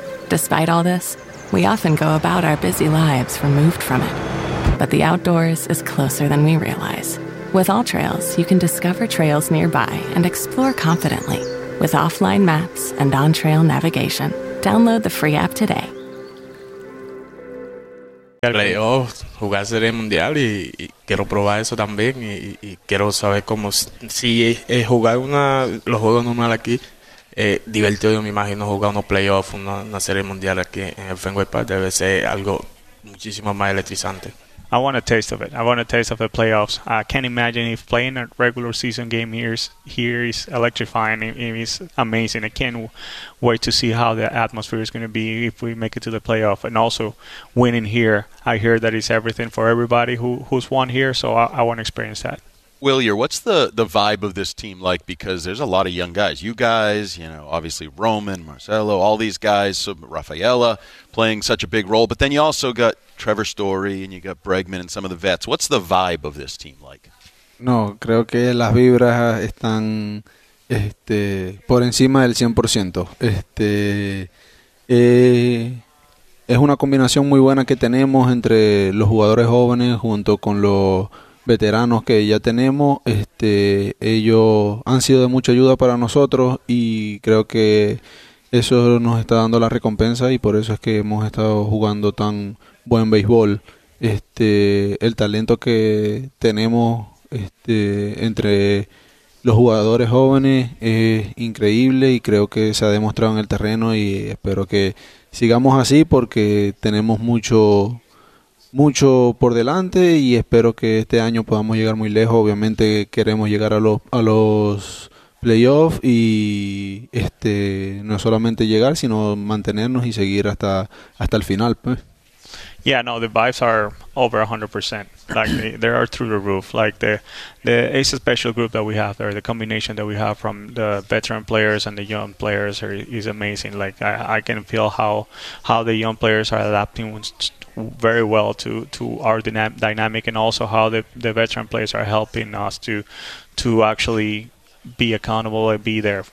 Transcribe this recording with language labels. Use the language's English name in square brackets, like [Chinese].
[English] Despite all this, we often go about our busy lives removed from it. But the outdoors is closer than we realize. With AllTrails, you can discover trails nearby and explore confidently. With offline maps and on-trail navigation, download the free app today. [Spanish] Playoff, jugar Serie Mundial, y quiero probar eso también, y quiero saber cómo si jugar una los juegos normal aquí. Divertido, yo me imagino jugar unos playoffs, una serie mundial aquí en el Fenway Park. Debe ser algo muchísimo más electrizante. [English] I want a taste of it. I want a taste of the playoffs. I can't imagine if playing a regular season game here is electrifying. It is amazing. I can't wait to see how the atmosphere is going to be if we make it to the playoff. And also winning here, I hear that it's everything for everybody who's won here. So I want to experience that. Willier, what's the vibe of this team like? Because there's a lot of young guys. You guys, you know, obviously Roman, Marcelo, all these guys, Rafaela playing such a big role. But then you also got Trevor Story and you got Bregman and some of the vets. What's the vibe of this team like? [Spanish] No, creo que las vibras están por encima del 100%. Es una combinación muy buena que tenemos entre los jugadores jóvenes junto con los veteranos que ya tenemos. Ellos han sido de mucha ayuda para nosotros y creo que eso nos está dando la recompensa y por eso es que hemos estado jugando tan buen béisbol. El talento que tenemos entre los jugadores jóvenes es increíble y creo que se ha demostrado en el terreno y espero que sigamos así porque tenemos mucho por delante y espero que este año podamos llegar muy lejos. Obviamente queremos llegar a los playoffs y no solamente llegar sino mantenernos y seguir hasta el final, pues. [English] Yeah, no, the vibes are over 100%. Like they are through the roof. Like the it's a special group that we have there. The combination that we have from the veteran players and the young players is amazing. Like I can feel how the young players are adapting very well to our dynamic and also how the veteran players are helping us to actually be accountable and be there.